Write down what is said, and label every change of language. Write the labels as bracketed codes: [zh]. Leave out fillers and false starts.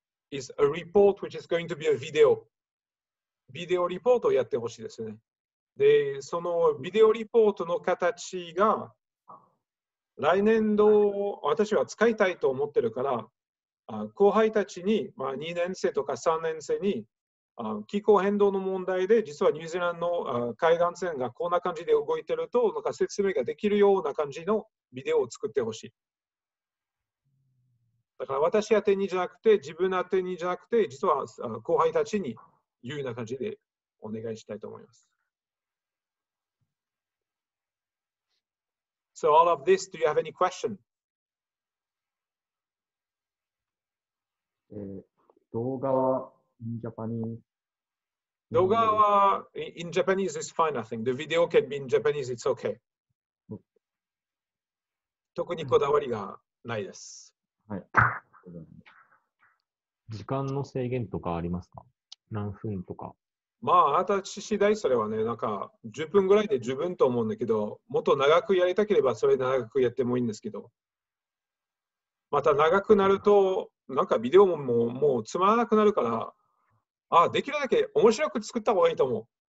[en] Is a report which is going to be a video. [ja] ビデオリポートをやってほしいですね。で、そのビデオリポートの形が来年度私は使いたいと思ってるから、後輩たちに、まあ、2年生とか3年生に気候変動の問題で実はニュージーランドの海岸線がこんな感じで動いてるとなんか説明ができるような感じのビデオを作ってほしい。だから私宛にじゃなくて、自分宛にじゃなくて、実は後輩たちに言うような感じでお願いしたいと思います。 [en] So all of this, do you have any question? [ja] 動画は [en] in Japanese. [ja] 動画は [en] in Japanese is fine, I think. The video can be in Japanese, it's okay. [ja] 特にこだわりがないです。はい。時間の制限とかありますか？何分とか。まあ、私次第それはね、なんか10分ぐらいで十分と思うんだけど、もっと長くやりたければそれ長くやってもいいんですけど、また長くなると、なんかビデオももうつまらなくなるから、ああ、できるだけ面白く作った方がいいと思う。